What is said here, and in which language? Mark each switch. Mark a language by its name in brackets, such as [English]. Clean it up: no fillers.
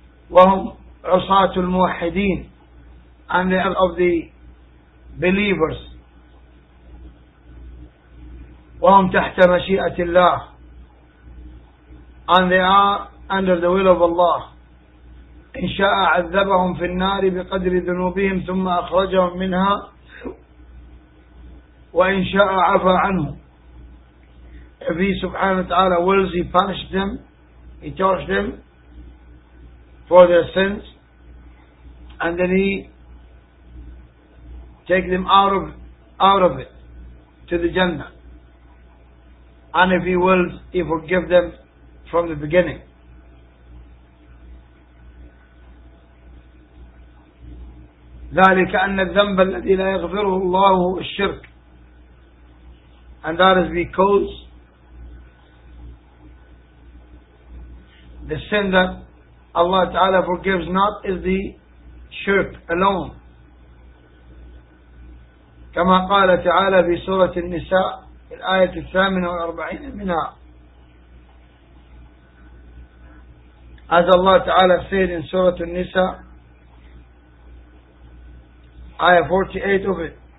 [Arabic] وَهُمْ عُصَاتُ الْمُوَحِدِينَ [English] And they are of the believers. [Arabic] وَهُمْ تَحْتَ مَشِيئَةِ اللَّهِ [English] And they are under the will of Allah. [Arabic] إن شاء عذبهم في النار بقدر ذنوبهم ثم أخرجهم منها وإن شاء عفا عنهم. [English] If he سبحانه وتعالى wills, he punished them, he charged them for their sins, and then he take them out of it to the Jannah, and if he wills, he forgive them from the beginning. [Arabic] ذلك أن الذنب الذي لا يغفره الله هو الشرك. [English] And that is because the sin that Allah Ta'ala forgives not is the shirk alone. [Arabic] كما قال تعالى في سورة النساء الآية 48 منها. [English] As Allah Ta'ala said in Surah An-Nisa, Ayah 48 of it.